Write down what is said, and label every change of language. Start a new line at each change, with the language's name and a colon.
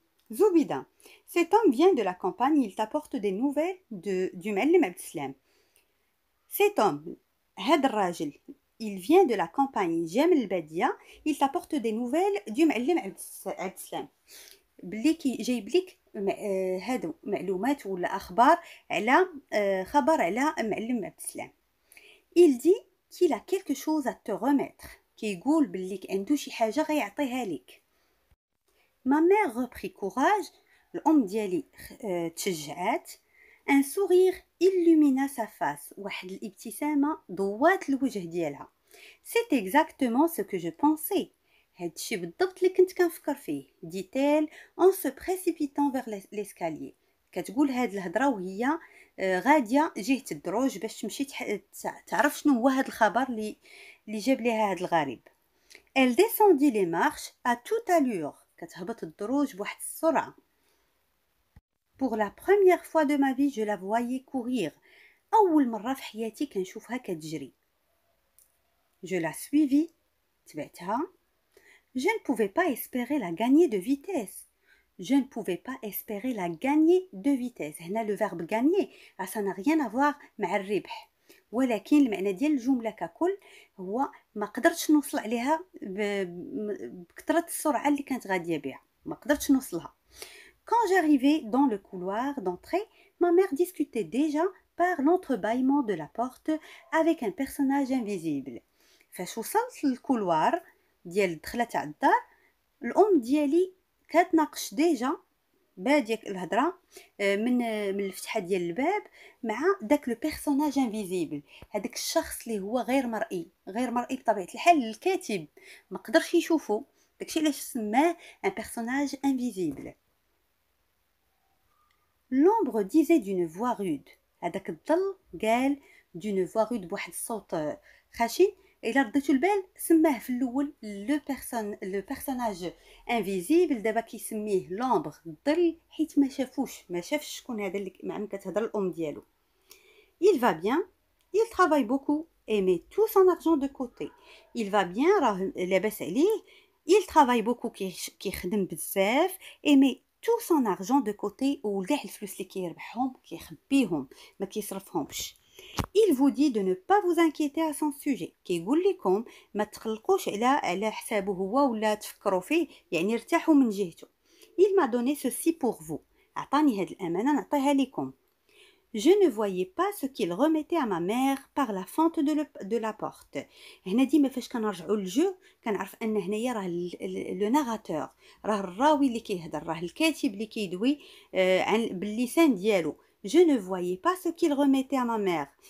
French: زبيدة cet homme vient de la campagne il t'apporte des nouvelles de du معلم عبد السلام. cet homme
Arabic: هاد الراجل
French: il vient de la campagne
Arabic: جامل البادية
French: il t'apporte des nouvelles du
Arabic: معلم عبد السلام بلي كي جايب لك هادو معلومات ولا اخبار على خبر على معلم عبد السلام.
French: il dit qu'il a quelque chose à te remettre.
Arabic: كيقول باللي عنده شي حاجه غيعطيها لك.
French: ma mère reprit courage.
Arabic: الام ديالي تشجعات.
French: un sourire illumina sa face.
Arabic: واحد الابتسامه ضوات الوجه ديالها.
French: c'est exactement ce que je pensais.
Arabic: هادشي بالضبط اللي كنت كنفكر فيه.
French: dit-elle en se précipitant vers l'escalier.
Arabic: كتقول هاد الهضره وهي غادية جهة الدروج باش تمشي تعرف شنو هو هاد الخبر اللي جاب ليها هاد الغريب.
French: elle descendit les marches à toute allure.
Arabic: كتهبط الدروج بواحد السرعة.
French: pour la première fois de ma vie je la voyais courir.
Arabic: اول مرة في حياتي كنشوفها كتجري.
French: je la suivis.
Arabic: تبعتها.
French: je ne pouvais pas espérer la gagner de vitesse. Je ne pouvais pas espérer la gagner de vitesse.
Arabic: هنا
French: le verbe gagner, ça n'a rien à voir
Arabic: مع الربح. ولكن المعنى ديال الجملة ككل هو ما قدرتش نوصل عليها بكثرة السرعة اللي كانت غادية بها. ما قدرتش نوصلها.
French: Quand j'arrivais dans le couloir d'entrée, ma mère discutait déjà par l'entrebâillement de la porte avec un personnage invisible.
Arabic: فاش وصلت للكولوار ديال الدخلة تاع الدار، الأم ديالي كتناقش ديجا بادية الهضرة من الفتحة ديال الباب مع داك لو بيرسوناج انفيزيبل هذاك الشخص اللي هو غير مرئي بطبيعة الحال الكاتب ما قدرش يشوفه داكشي علاش سماه ان بيرسوناج انفيزيبل.
French: لومبر ديزي دون فوا رود
Arabic: هذاك الظل قال
French: دون فوا رود بواحد الصوت خشن.
Arabic: الى رديتو البال سماه في الاول لو بيرسوناج انفيزيبل دابا كيسميه لومبر الظل حيت ما شافش شكون هذا اللي معاه كتهضر الام ديالو.
French: il va bien il travaille beaucoup et met tout son argent de côté. il va bien
Arabic: راه لاباس عليه.
French: il travaille beaucoup
Arabic: كيخدم بزاف
French: et met tout son argent de côté
Arabic: وكاع الفلوس اللي كيربحهم كيخبيهم ما كيصرفهمش.
French: Il vous dit de ne pas vous inquiéter à son sujet.
Arabic: كيقول لكم ما تقلقوش على حسابه هو ولا تفكروا فيه يعني ارتاحوا من جهته.
French: Il m'a donné ceci pour vous.
Arabic: أعطاني هذه الأمانة نعطيها لكم.
French: Je ne voyais pas ce qu'il remettait à ma mère par la fente de la porte.
Arabic: هنا ديما فاش كنرجعوا للجو كنعرف ان هنايا راه لو ناراتور راه الراوي اللي كيهضر راه الكاتب اللي كيدوي باللسان ديالو.
French: Je ne voyais pas ce qu'il remettait à ma mère.